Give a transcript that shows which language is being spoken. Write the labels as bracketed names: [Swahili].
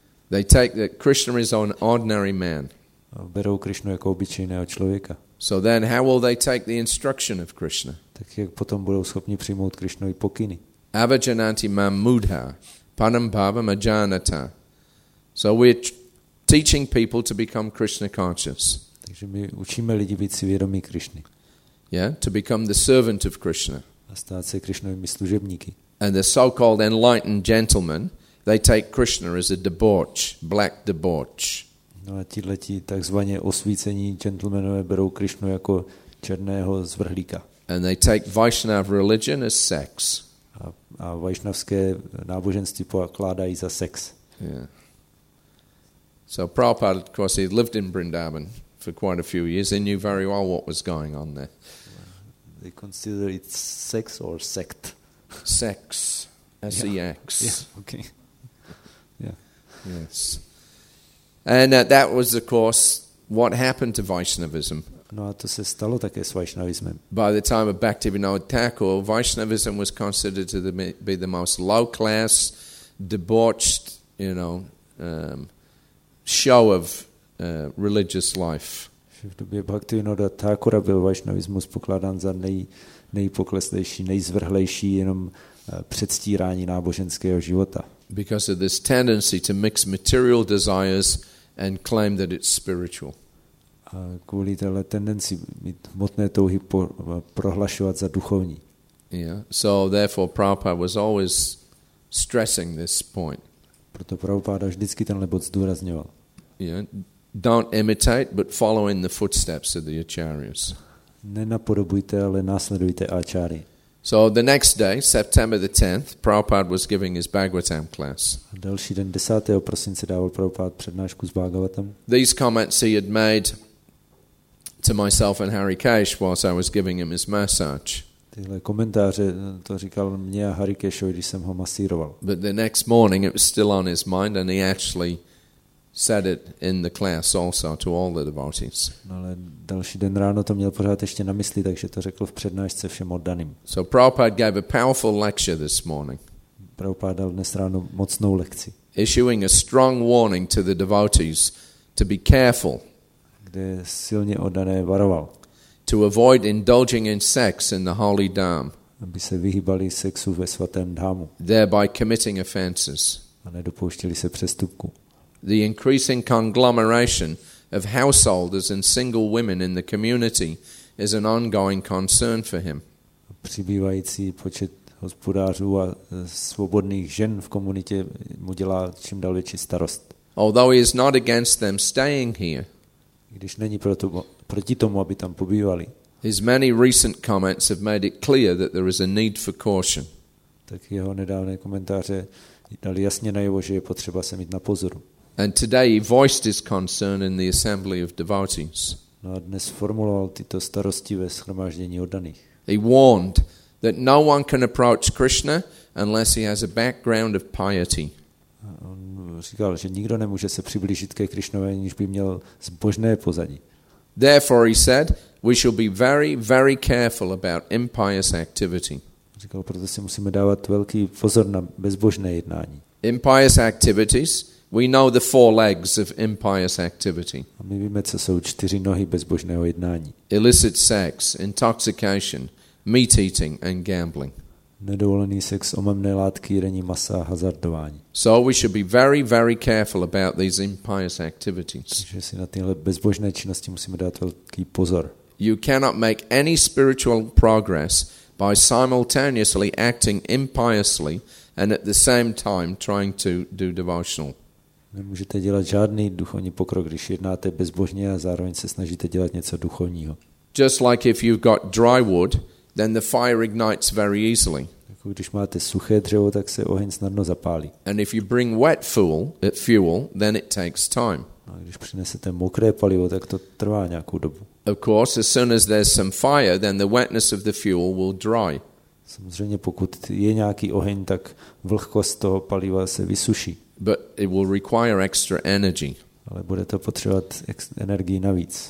[English] They take that Krishna is an ordinary man. [Czech] Berou Krishnu jako obyčejného člověka. [English] So then how will they take the instruction of Krishna? [Czech] Tak jak potom budou schopni přijmout Krishnovy pokyny? [Sanskrit] Avajananti mam mudha panam bhavam ajanata. [English] So we're teaching people to become Krishna conscious. [Czech] Takže my učíme lidi být si vědomí Krishny. [English] Yeah, to become the servant of Krishna. [Czech] Stát se Krišnovými služebníky. [English] And the so-called enlightened gentlemen, they take Krishna as a debauch, black debauch. [Czech] No a tihleti takzvaně osvícení gentlemanové berou Krišnu jako černého zvrhlíka. [English] And they take Vaishnav religion as sex. [Czech] A vaishnavské náboženství pokládají za sex. [English] Yeah. So Prabhupada, of course, he lived in Vrindavan for quite a few years. He knew very well what was going on there. They consider it sex or sect. Sex, S-E-X. Yeah. Yeah. Okay. Yeah. Yes. And that was, of course, what happened to Vaishnavism. [Czech] No, a to se stalo také s Vaishnavismem. [English] By the time of Bhaktivinoda Thakur, Vaishnavism was considered to be the most low-class, debauched, you know, show of religious life. [Czech] že v době Bhaktivinoda Thakura byl vaishnavismus pokládán za nejpokleslejší, nejzvrhlejší, jenom předstírání náboženského života. [English] Because of this tendency to mix material desires and claim that it's spiritual. [Czech] A kvůli téhle tendenci mít hmotné touhy prohlašovat za duchovní. [English] Yeah. So therefore Prabhupada was always stressing this point. [Czech] Proto Prabhupada vždycky tenhle bod zdůrazňoval. [English] Yeah. Don't imitate, but follow in the footsteps of the acharyas. [Czech] Nenapodobujte, ale následujte acharyy. [English] So the next day, September the 10th, Prabhupada was giving his Bhagavatam class. [Czech] A další den 10. prosince dával Prabhupada přednášku z Bhagavatam. [English] These comments he had made to myself and Harikesh whilst I was giving him his massage. [Czech] Tyhle komentáře to říkal mně a Harikeshovi, když jsem ho masíroval. [English] But the next morning it was still on his mind and he actually said it in the class also to all the devotees. [Czech] No, ale další den ráno to měl pořád ještě na mysli, takže to řekl v přednášce všem oddaným. [English] So Prabhupada gave a powerful lecture this morning. [Czech] Prabhupada dal dnes ráno mocnou lekci. [English] Issuing a strong warning to the devotees to be careful. [Czech] Kde silně oddané varoval. [English] To avoid indulging in sex in the holy dham. [Czech] Aby se vyhýbali sexu ve svatém dhamu. [English] Thereby committing offenses. [Czech] A nedopouštěli se přestupku. [English] The increasing conglomeration of householders and single women in the community is an ongoing concern for him. [Czech] Přibývající počet hospodářů a svobodných žen v komunitě mu dělá čím dál větší starost. [English] Although he is not against them staying here, [Czech] když není proti tomu, aby tam pobývali, [English] his many recent comments have made it clear that there is a need for caution. [Czech] Tak jeho nedávné komentáře dali jasně najevo, že je potřeba se mít na pozoru. [English] And today he voiced his concern in the assembly of devotees. [Czech] No a dnes formuloval tyto starosti ve shromáždění oddaných. [English] He warned that no one can approach Krishna unless he has a background of piety. [Czech] On říkal, že nikdo nemůže se přiblížit ke Krišnovi, aniž by měl zbožné pozadí. [English] Therefore he said, we shall be very, very careful about impious activity. [Czech] Říkal, proto si musíme dávat velký pozor na bezbožné jednání. [English] Impious activities. We know the four legs of impious activity. [Czech] A my víme, co jsou čtyři nohy bezbožného jednání. [English] Illicit sex, intoxication, meat eating and gambling. [Czech] Nedovolený sex, omamné látky, jedení masa a hazardování. [English] So we should be very, very careful about these impious activities. [Czech] Takže si na tyhle bezbožné činnosti musíme dát velký pozor. [English] You cannot make any spiritual progress by simultaneously acting impiously and at the same time trying to do devotional. [Czech] Nemůžete dělat žádný duchovní pokrok, když jednáte bezbožně a zároveň se snažíte dělat něco duchovního. [English] Just like if you've got dry wood, then the fire ignites very easily. [Czech] Jako když máte suché dřevo, tak se oheň snadno zapálí. [English] And if you bring wet fuel, then it takes time. [Czech] A když přinesete mokré palivo, tak to trvá nějakou dobu. [English] Of course, as soon as there's some fire, then the wetness of the fuel will dry. [Czech] Samozřejmě, pokud je nějaký oheň, tak vlhkost toho paliva se vysuší. [English] But it will require extra energy. [Czech] Ale bude to potřebovat energii navíc.